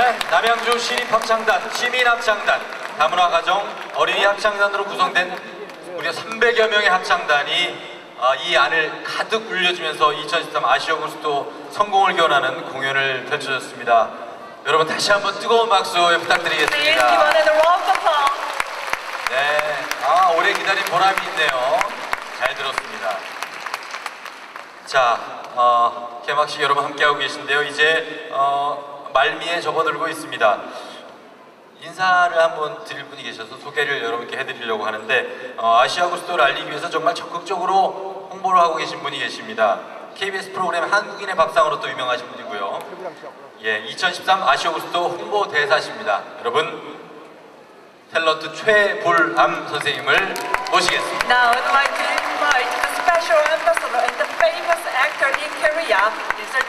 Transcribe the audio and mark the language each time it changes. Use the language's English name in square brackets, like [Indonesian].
[Korean] 남양주 신입합창단, 시민합창단, 다문화가정, 어린이 합창단으로 구성된 무려 300여 명의 합창단이 이 안을 가득 울려주면서 2013 아시아 콘서트 성공을 기원하는 공연을 펼쳐줬습니다. 여러분 다시 한번 뜨거운 박수 부탁드리겠습니다. [English] Please give another round of applause. [Korean] 네, 아 오래 기다린 보람이 있네요. 잘 들었습니다. 자, 개막식 여러분 함께하고 계신데요. 이제 말미에 접어들고 있습니다. 인사를 한번 드릴 분이 계셔서 소개를 여러분께 해드리려고 하는데 아시아 고스토를 알리기 위해서 정말 적극적으로 홍보를 하고 계신 분이 계십니다. KBS 프로그램 한국인의 밥상으로 또 유명하신 분이고요. 예, 2013 아시아 고스토 홍보 대사십니다. 여러분, 탤런트 최볼암 선생님을 모시겠습니다. [English] Now I'd like to invite the special ambassador and the famous actor in Korea, Mr.